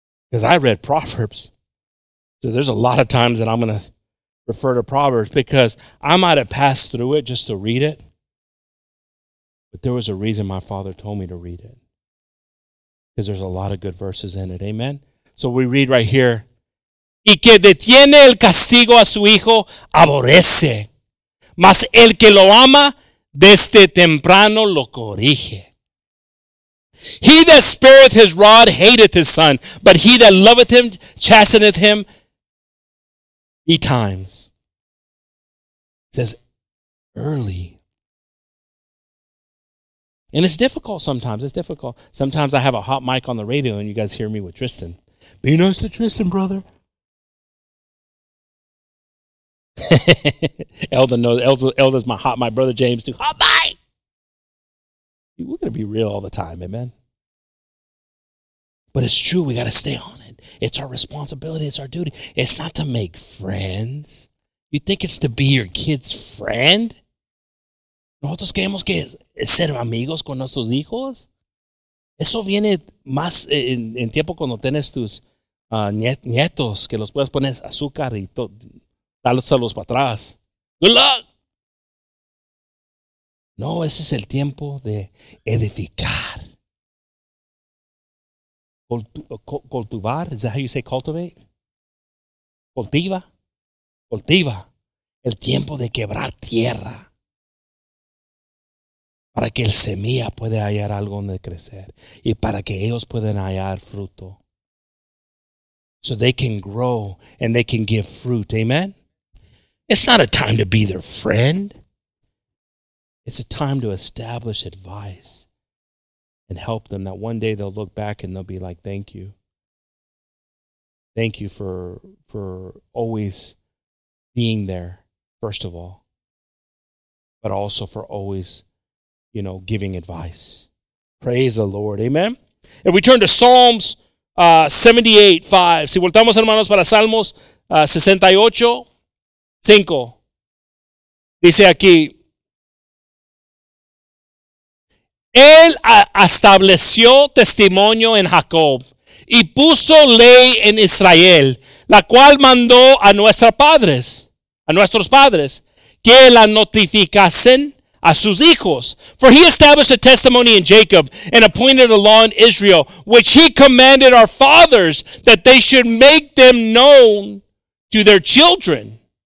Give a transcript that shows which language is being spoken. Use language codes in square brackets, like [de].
[en] Because I read Proverbs. So there's a lot of times that I'm going to refer to Proverbs because I might have passed through it just to read it. But there was a reason my father told me to read it. Because there's a lot of good verses in it. Amen? So we read right here. [es] Y que detiene el castigo a su hijo, aborrece. Mas el que lo ama, desde temprano lo corrige. [en] He that spareth his rod hateth his son, but he that loveth him chasteneth him betimes. It says early. And it's difficult sometimes. It's difficult. Sometimes I have a hot mic on the radio and you guys hear me with Tristan. Be nice to Tristan, brother. Elda knows. Elda's my hot mic. Brother James, too. Hot mic! We're going to be real all the time, amen? But it's true. We got to stay on it. It's our responsibility. It's our duty. It's not to make friends. You think it's to be your kid's friend? [es] Nosotros queremos que es ser amigos con nuestros hijos. Eso viene más en tiempo cuando tienes tus nietos que los puedes poner azúcar y todo. Dalos para atrás. [en] Good luck. [es] No, ese es el tiempo de edificar. [en] Cultivar, is that how you say cultivate? Cultiva. Cultiva. [es] El tiempo de quebrar tierra. Para que el semilla pueda hallar algo donde crecer. Y para que ellos puedan hallar fruto. [en] So they can grow and they can give fruit. Amen? It's not a time to be their friend. It's a time to establish advice. And help them that one day they'll look back and they'll be like, thank you. Thank you for always being there, first of all. But also for always, you know, giving advice. Praise the Lord. Amen. If we turn to Psalms 78:5. [es] Si voltamos, hermanos, para Salmos 68:5. Dice aquí. Él estableció testimonio en Jacob y puso ley en Israel, la cual mandó a nuestros padres, que la notificasen a sus hijos. [en] For he established a testimony in Jacob and appointed a law in Israel, which he commanded our fathers that they should make them known to their children.